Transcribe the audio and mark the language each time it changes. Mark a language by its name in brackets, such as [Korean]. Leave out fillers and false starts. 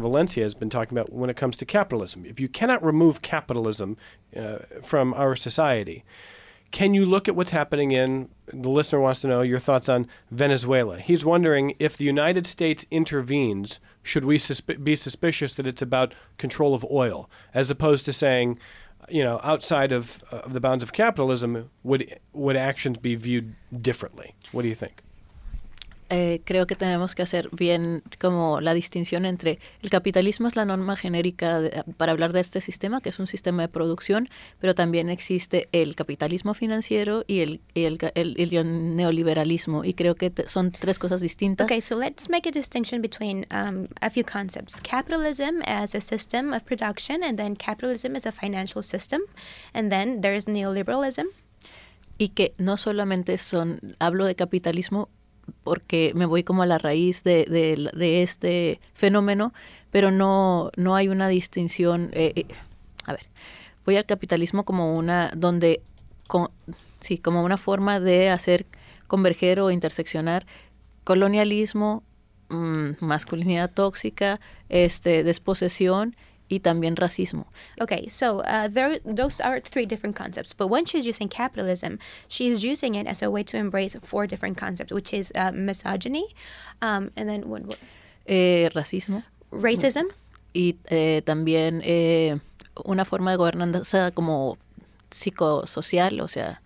[English] Valencia has been talking about when it comes to capitalism. If you cannot remove capitalism from our society, can you look at what's happening in, the listener wants to know your thoughts on Venezuela. He's wondering, if the United States intervenes, should we be suspicious that it's about control of oil, as opposed to saying, you know, outside of the bounds of capitalism, would actions be viewed differently? What do you think? [Spanish] Creo que tenemos que hacer bien como la distinción entre el capitalismo es la norma genérica para hablar de este sistema, que es un sistema de producción, pero también existe el capitalismo financiero y el neoliberalismo, y creo que son tres cosas distintas. [English] Okay, so let's make a distinction between a few concepts. Capitalism as a system of production, and then capitalism as a financial system, and then there is neoliberalism. [Spanish] Y que no solamente son, hablo de capitalismo porque me voy como a la raíz de este fenómeno, pero no hay una distinción. A ver, voy al capitalismo como una forma de hacer converger o interseccionar colonialismo, masculinidad tóxica, desposesión y también racismo. [English] Okay, so those are three different concepts. But when she's using capitalism, she's using it as a way to embrace four different concepts, which is misogyny, and then [Spanish] racismo. [English] Racism. [Spanish] Y también una forma de gobernanza como psicosocial, o sea.